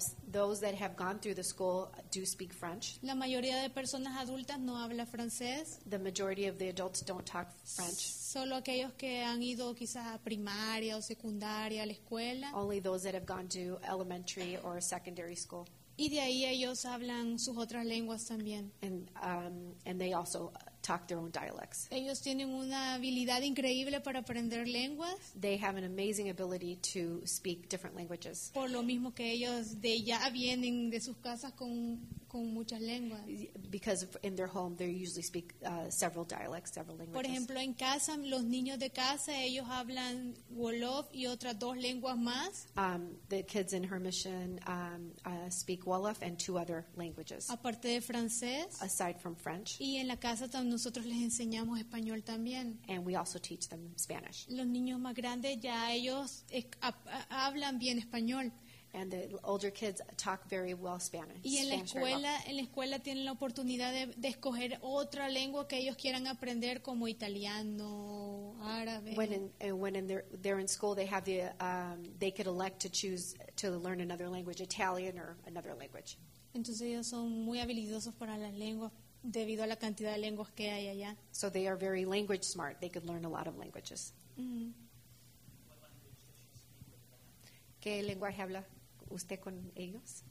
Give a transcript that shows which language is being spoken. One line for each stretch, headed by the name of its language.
English: Those that have gone through the school do speak French.
Spanish: La mayoría de personas adultas no habla francés.
English: The majority of the adults don't talk French.
Spanish: Solo aquellos que han ido quizás a primaria o secundaria a la escuela.
English: Only those that have gone to elementary or secondary school.
Spanish: Y de ahí ellos hablan sus otras lenguas también.
English: And they also talk their own dialects.
Spanish: Ellos tienen una habilidad increíble para aprender lenguas.
English: They have an amazing ability to speak different languages.
Spanish: Por lo mismo que ellos de ya vienen de sus casas con muchas lenguas.
English: Because in their home they usually speak several dialects, several languages.
Spanish: Por ejemplo, en casa los niños de casa ellos hablan Wolof y otras dos lenguas más.
English: The kids in her mission speak Wolof and two other languages.
Spanish: Aparte de francés.
English: Aside from French.
Spanish: Y en la casa nosotros les enseñamos español también.
English: And we also teach them Spanish.
Spanish: Los niños más grandes ya ellos hablan bien español.
English: And the older kids talk very well Spanish.
Spanish: Y en la escuela, en la escuela tienen la oportunidad de escoger otra lengua que ellos quieran aprender como italiano, árabe.
English: When they're in school, they have the they could elect to choose to learn another language, Italian or another language.
Spanish: Entonces ellos son muy habilidosos para las lenguas debido a la cantidad de lenguas que hay allá.
English: So they are very language smart. They could learn a lot of languages.
Spanish: ¿Qué lenguaje habla usted con ellos?